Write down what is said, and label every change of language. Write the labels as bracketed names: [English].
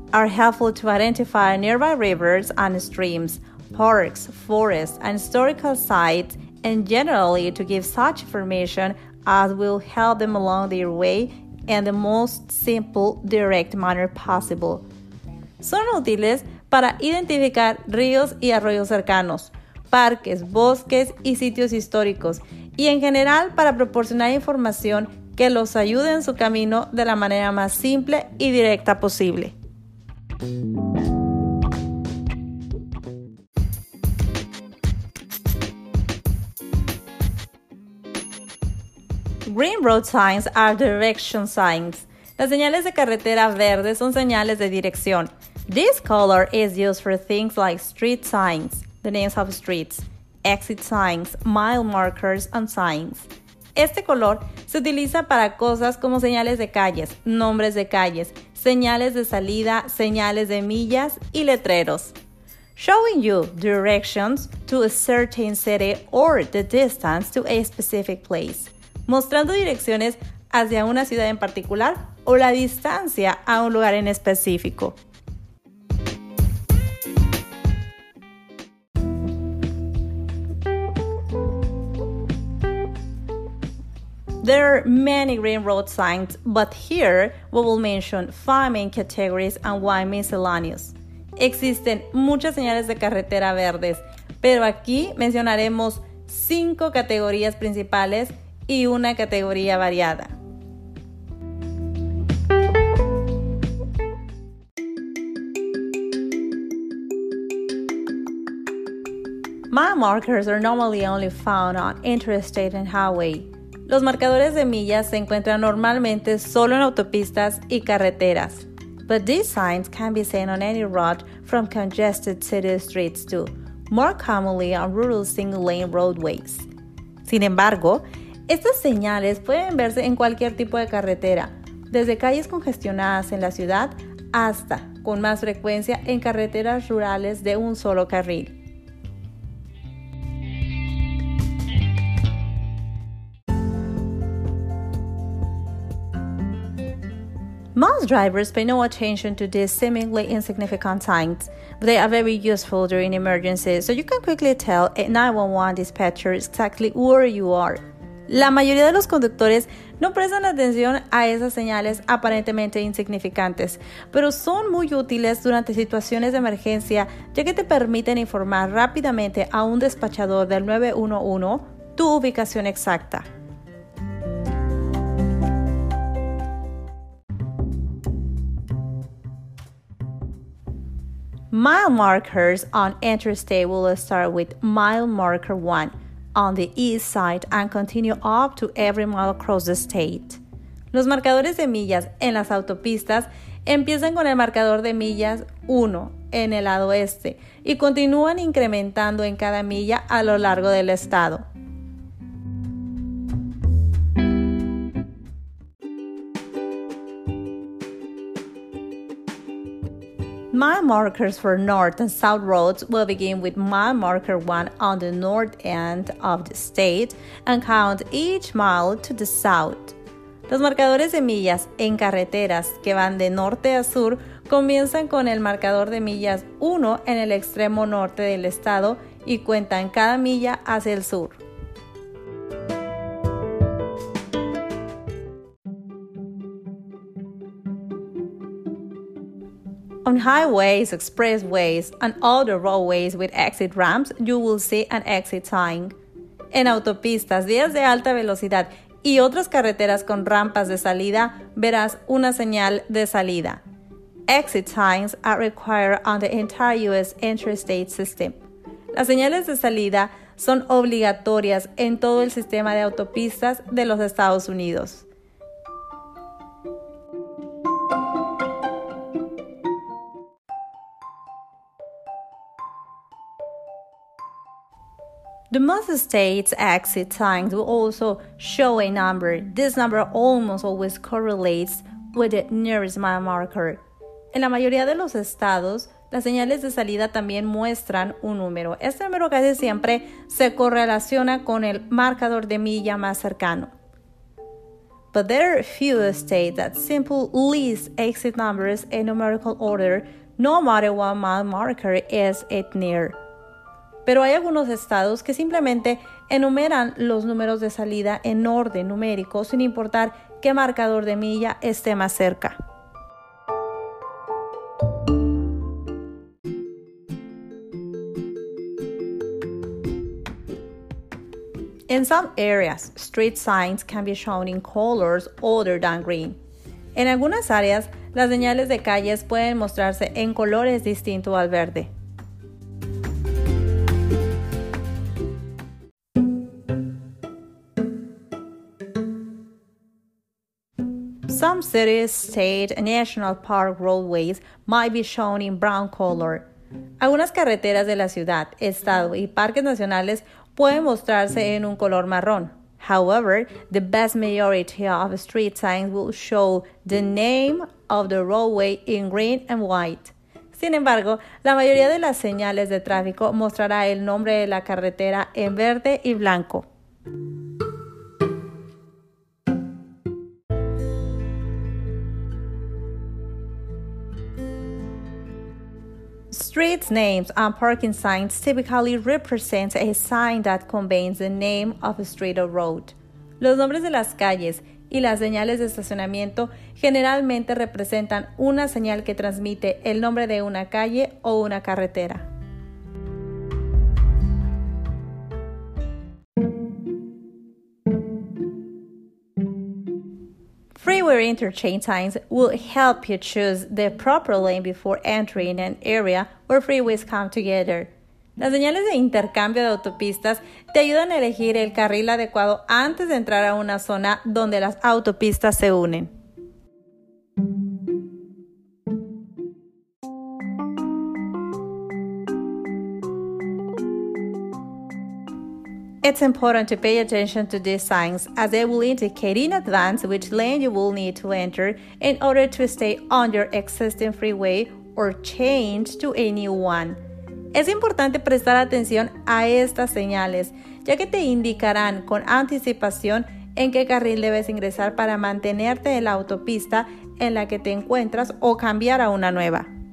[English] are helpful to identify nearby rivers and streams, parks, forests, and historical sites, and generally to give such information as will help them along their way in the most simple, direct manner possible. [Spanish] Son útiles para identificar ríos y arroyos cercanos, parques, bosques y sitios históricos, y en general para proporcionar información que los ayude en su camino de la manera más simple y directa posible. [English] Green road signs are direction signs. [Spanish] Las señales de carretera verde son señales de dirección. [English] This color is used for things like street signs, the names of streets, exit signs, mile markers, and signs. [Spanish] Este color se utiliza para cosas como señales de calles, nombres de calles, señales de salida, señales de millas y letreros. [English] Showing you directions to a certain city or the distance to a specific place. [Spanish] Mostrando direcciones hacia una ciudad en particular o la distancia a un lugar en específico. [English] There are many green road signs, but here we will mention 5 main categories and 1 miscellaneous. [Spanish] Existen muchas señales de carretera verdes, pero aquí mencionaremos 5 categorías principales y una categoría variada. [English] Mile markers are normally only found on interstate and highway. [Spanish] Los marcadores de millas se encuentran normalmente solo en autopistas y carreteras. [English] But these signs can be seen on any road from congested city streets too, more commonly on rural single-lane roadways. [Spanish] Sin embargo, estas señales pueden verse en cualquier tipo de carretera, desde calles congestionadas en la ciudad hasta, con más frecuencia, en carreteras rurales de un solo carril. [English] Most drivers pay no attention to these seemingly insignificant signs. They are very useful during emergencies, so you can quickly tell a 911 dispatcher exactly where you are. [Spanish] La mayoría de los conductores no prestan atención a esas señales aparentemente insignificantes, pero son muy útiles durante situaciones de emergencia, ya que te permiten informar rápidamente a un despachador del 911 tu ubicación exacta. [English] Mile markers on interstate will start with mile marker 1 on the east side and continue up to every mile across the state. [Spanish] Los marcadores de millas en las autopistas empiezan con el marcador de millas 1 en el lado este y continúan incrementando en cada milla a lo largo del estado. [English] Mile markers for north and south roads will begin with mile marker 1 on the north end of the state and count each mile to the south. [Spanish] Los marcadores de millas en carreteras que van de norte a sur comienzan con el marcador de millas 1 en el extremo norte del estado y cuentan cada milla hacia el sur. [English] On highways, expressways, and other roadways with exit ramps, you will see an exit sign. [Spanish] En autopistas, vías de alta velocidad y otras carreteras con rampas de salida, verás una señal de salida. [English] Exit signs are required on the entire U.S. interstate system. [Spanish] Las señales de salida son obligatorias en todo el sistema de autopistas de los Estados Unidos. [English] The most state's exit signs will also show a number. This number almost always correlates with the nearest mile marker. [Spanish] En la mayoría de los estados, las señales de salida también muestran un número. Este número casi siempre se correlaciona con el marcador de milla más cercano. [English] but there are few states that simply list exit numbers in numerical order, no matter what mile marker is it near. [Spanish] Pero hay algunos estados que simplemente enumeran los números de salida en orden numérico, sin importar qué marcador de milla esté más cerca. [English] In some areas, street signs can be shown in colors other than green. [Spanish] En algunas áreas, las señales de calles pueden mostrarse en colores distintos al verde. [English] Some cities, state, and national park roadways might be shown in brown color. [Spanish] Algunas carreteras de la ciudad, estado y parques nacionales pueden mostrarse en un color marrón. [English] However, the vast majority of street signs will show the name of the roadway in green and white. [Spanish] Sin embargo, la mayoría de las señales de tráfico mostrará el nombre de la carretera en verde y blanco. [English] Street names and parking signs typically represent a sign that conveys the name of a street or road. [Spanish] Los nombres de las calles y las señales de estacionamiento generalmente representan una señal que transmite el nombre de una calle o una carretera. [English] Freeway interchange signs will help you choose the proper lane before entering an area where freeways come together. [Spanish] Las señales de intercambio de autopistas te ayudan a elegir el carril adecuado antes de entrar a una zona donde las autopistas se unen. [English] It's important to pay attention to these signs as they will indicate in advance which lane you will need to enter in order to stay on your existing freeway or change to a new one. [Spanish] Es importante prestar atención a estas señales, ya que te indicarán con anticipación en qué carril debes ingresar para mantenerte en la autopista en la que te encuentras o cambiar a una nueva.